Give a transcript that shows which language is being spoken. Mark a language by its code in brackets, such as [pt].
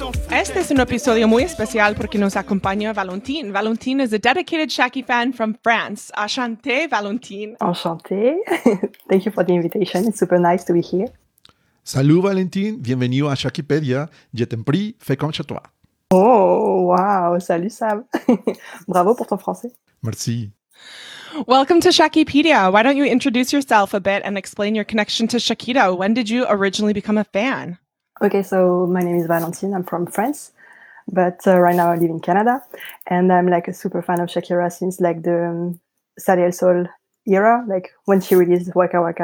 [es] Este es un episodio muy especial porque nos acompaña Valentín. [en] Valentín is a dedicated Shaki fan from France. [fr] Enchanté, Valentín. [en] Enchanté. Thank you for the invitation. It's super nice to be here. [es] Salud, Valentín. Bienvenido a Shakipedia. [fr] Je t'en prie, fais comme chez toi. Oh, wow. Salut, Sam. Bravo pour ton français. Merci. [en] Welcome to Shakipedia. Why don't you introduce yourself a bit and explain your connection to Shakira? When did you originally become a fan? Okay, so my name is Valentin. I'm from France, but right now I live in Canada, and I'm like a super fan of Shakira since like the Sade El Sol era, like when she released Waka Waka.